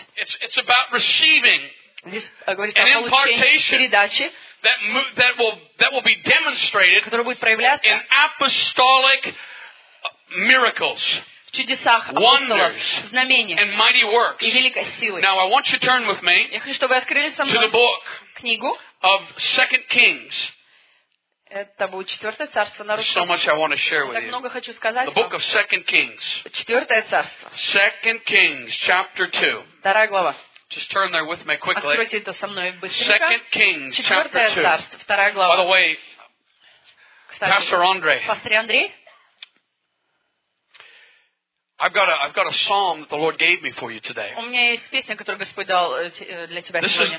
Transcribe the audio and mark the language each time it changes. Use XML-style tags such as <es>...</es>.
<en>It's about receiving an impartation that will be demonstrated in apostolic miracles.</en> <ru>В чудесах апостолов, знамениях и великой силы.</ru> <en>Now I want you to turn with me to the book of 2 Kings.</en> <ru>Это будет четвертое царство на руке.</ru> <en>So much I want to share with you.</en> <ru>Так много хочу сказать.</ru> <en>The book of 2 Kings.</en> <ru>Четвертое царство.</ru> <en>2 Kings, chapter 2.</en> <ru>Вторая глава.</ru> <en>Just turn there with me quickly.</en> <ru>Откройте это со мной быстренько.</ru> <en>2 Kings, chapter 2.</en> <ru>Четвертое царство, вторая глава.</ru> <en>By the way, Pastor Andre.</en> <ru>Пастор Андрей.</ru> <en>I've got a psalm that the Lord gave me for you today.</en> <ru>У меня есть песня, которую Господь дал для тебя сегодня.</ru>